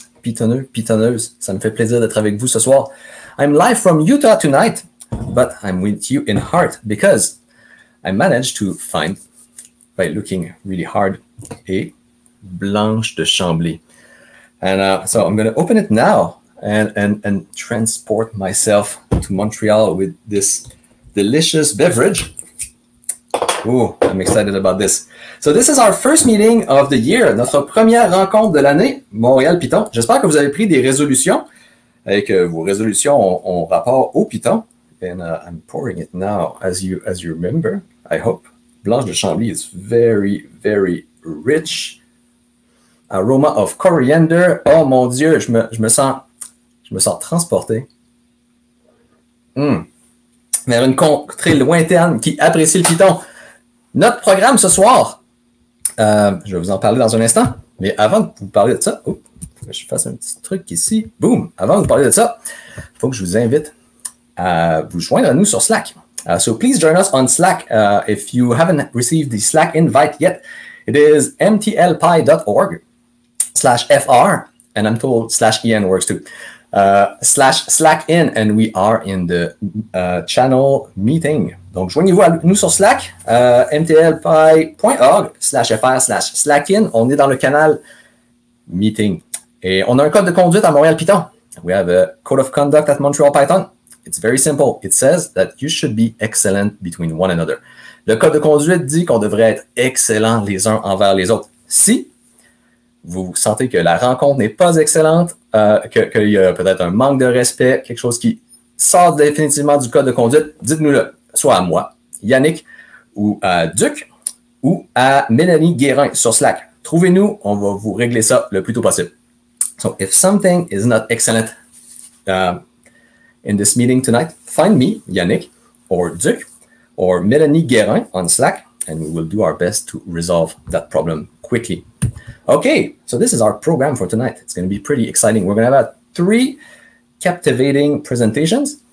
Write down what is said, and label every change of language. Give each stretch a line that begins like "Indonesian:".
French: Pythonneux, pythonneuse, ça me fait plaisir d'être avec vous ce soir.
English: I'm live from Utah tonight, but I'm with you in heart because I managed to find, by looking really hard, a Blanche de Chambly. So I'm gonna open it now and transport myself to Montreal with this delicious beverage. Oh, I'm excited about this. So this is our first meeting of the year,
French: notre première rencontre de l'année,
English: Montréal Python.
French: J'espère que vous avez pris des résolutions et que vos résolutions ont rapport au Python.
English: I'm pouring it now, as you remember, I hope. Blanche de Chambly is very, very rich. Aroma of coriander.
French: Oh mon Dieu, je me sens transporté. Vers une contrée lointaine qui apprécie le Python. Notre programme ce soir, je vais vous en parler dans un instant, mais avant de vous parler de ça, oh, je fasse un petit truc ici, boum, avant de vous parler de ça, il faut que je vous invite à vous joindre à nous sur Slack.
English: So please join us on Slack if you haven't received the Slack invite yet. It is mtlpy.org/fr, and I'm told /en works too. /slack in, and we are in the channel meeting.
French: Donc, joignez-vous à nous sur Slack, mtlpy.org/fr/slackin. On est dans le canal meeting. Et on a un code de conduite à Montréal Python.
English: We have a code of conduct at Montreal Python. It's very simple. It says that you should be excellent between one another.
French: Le code de conduite dit qu'on devrait être excellents les uns envers les autres. Si vous sentez que la rencontre n'est pas excellente, qu'il y a peut-être un manque de respect, quelque chose qui sort définitivement du code de conduite, dites-nous-le. Soit à moi, Yannick, ou à Duc, ou à Mélanie Guérin sur Slack. Trouvez-nous, on va vous régler ça le plus tôt possible.
English: So, if something is not excellent in this meeting tonight, find me, Yannick, or Duc, or Mélanie Guérin on Slack, and we will do our best to resolve that problem quickly. Okay, so this is our program for tonight. It's going to be pretty exciting. We're going to have three captivating presentations.